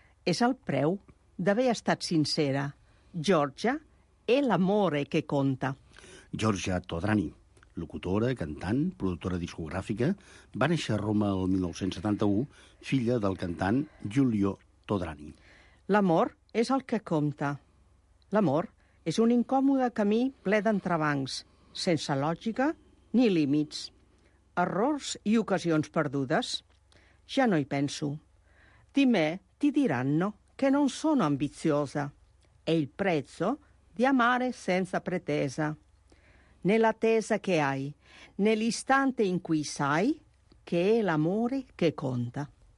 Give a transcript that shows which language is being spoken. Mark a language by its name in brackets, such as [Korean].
[Catalan] És el preu d'haver estat sincera. [Italian] Giorgia è l'amore che conta. [Catalan] Giorgia Todrani, locutora, cantant, productora discogràfica, va néixer a Roma el 1971, filla del cantant Giulio Todrani. L'amor és el que compta. L'amor és un incòmode camí ple d'entrebancs, sense lògica ni límits. Errors i ocasions perdudes? Ja no hi penso. [Italian] Di me ti diranno che non sono ambiziosa. È il prezzo di amare senza pretesa. Nell'attesa che hai, nell'istante in cui sai che è l'amore che conta.